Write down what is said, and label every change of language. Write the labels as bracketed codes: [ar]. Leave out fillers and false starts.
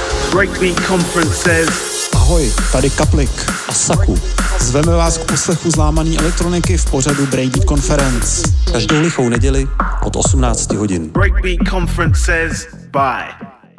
[en] Breakbeat Conference says. [cs] Ahoj, tady Kaplik a Saku. Zveme vás k poslechu zlámaný elektroniky v pořadu Breakbeat Conference. Každou lichou neděli od 18 hodin. [en] Breakbeat Conference says bye.